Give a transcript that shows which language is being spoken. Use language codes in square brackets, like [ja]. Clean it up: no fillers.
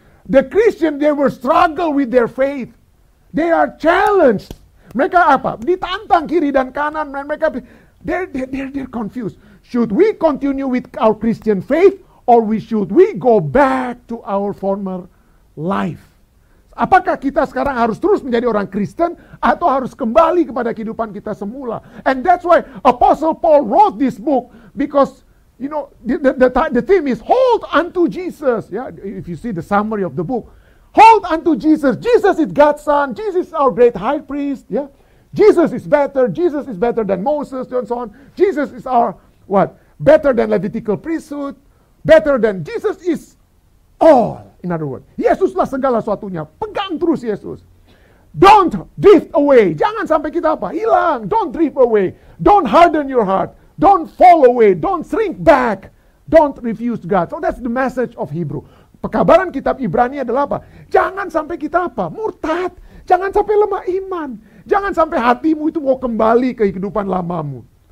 [en] The Christians, they were struggle with their faith. They are challenged. [id] Mereka apa? Ditantang kiri dan kanan. Mereka [en] they're confused. Should we continue with our Christian faith or should we go back to our former life? [id] Apakah kita sekarang harus terus menjadi orang Kristen atau harus kembali kepada kehidupan kita semula? [en] And that's why Apostle Paul wrote this book, because you know the theme is hold unto Jesus. Yeah, if you see the summary of the book, hold unto Jesus. Jesus is God's son. Jesus is our great high priest. Yeah, Jesus is better. Jesus is better than Moses and so on. Jesus is our what? Better than Levitical priesthood. Better than Jesus is all. In other words, [id] Yesuslah segala suatunya. Pegang terus Yesus. [en] Don't drift away. [id] Jangan sampai kita apa? Hilang. [en] Don't drift away. Don't harden your heart. Don't fall away. Don't shrink back. Don't refuse God. So that's the message of Hebrew. [id] Pekabaran kitab Ibrani adalah apa? Jangan sampai kita apa? Murtad. Jangan sampai lemah iman. Jangan sampai hatimu itu mau kembali ke kehidupan lamamu.